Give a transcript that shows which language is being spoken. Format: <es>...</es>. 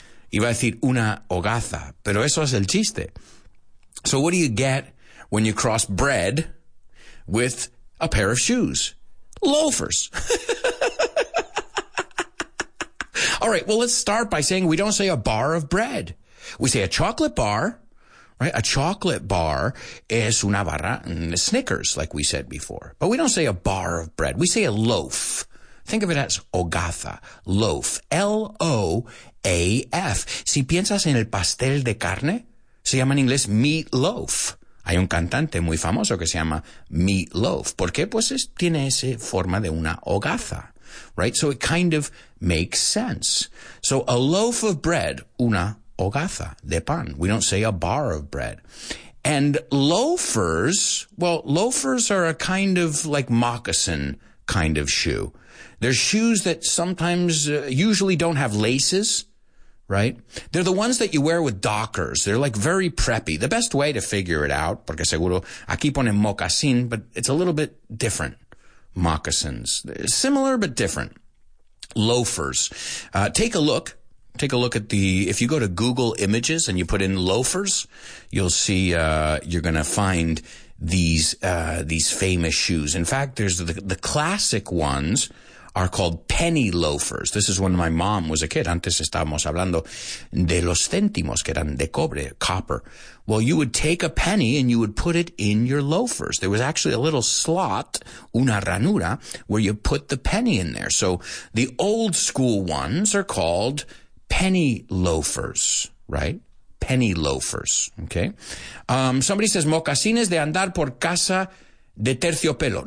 <es>Iba a decir una hogaza, pero eso es el chiste.</es> <en>So what do you get when you cross bread with a pair of shoes? Loafers. All right, well, let's start by saying we don't say a bar of bread. We say a chocolate bar, right? A chocolate bar is una barra and Snickers, like we said before. But we don't say a bar of bread. We say a loaf. Think of it as hogaza, loaf, L-O-A-F.</en> <es>Si piensas en el pastel de carne, se llama en inglés meat loaf. Hay un cantante muy famoso que se llama Meat Loaf. ¿Por qué? Pues es, tiene esa forma de una hogaza, right?</es> <en>So it kind of makes sense. So a loaf of bread,</en> <es>una hogaza de pan.</es> <en>We don't say a bar of bread. And loafers, well, loafers are a kind of like moccasin kind of shoe. They're shoes that sometimes usually don't have laces, right? They're the ones that you wear with Dockers. They're like very preppy. The best way to figure it out,</en> <es>porque seguro aquí ponen mocasín,</es> <en>but it's a little bit different. Moccasins. Similar but different. Loafers. Take a look. Take a look at the, if you go to Google Images and you put in loafers, you'll see you're going to find these famous shoes. In fact, there's the classic ones are called penny loafers. This is when my mom was a kid.</en> <es>Antes estábamos hablando de los céntimos, que eran de cobre, copper.</es> <en>Well, you would take a penny and you would put it in your loafers. There was actually a little slot, una ranura, where you put the penny in there. So the old school ones are called penny loafers, right? Penny loafers, okay? Somebody says,</en> <es>mocasines de andar por casa de terciopelo.</es>